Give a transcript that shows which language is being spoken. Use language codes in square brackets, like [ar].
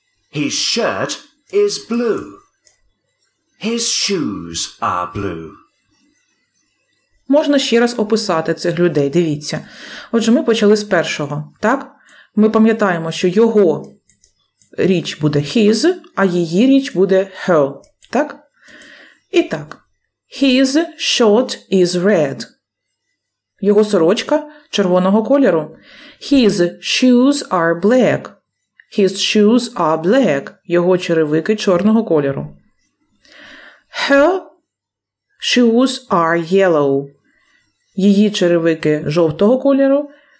[en] His shirt is blue. His shoes are blue. [uk] Можна ще раз описати цих людей, дивіться. Отже, ми почали з першого, так? Ми пам'ятаємо, що його річ буде his, а її річ буде her, так? І так, [en] his shirt is red. [uk] Його сорочка червоного кольору. [en] His shoes are black. His shoes are black. [uk] Його черевики чорного кольору. [en] Her shoes are yellow. [uk] Її черевики жовтого кольору.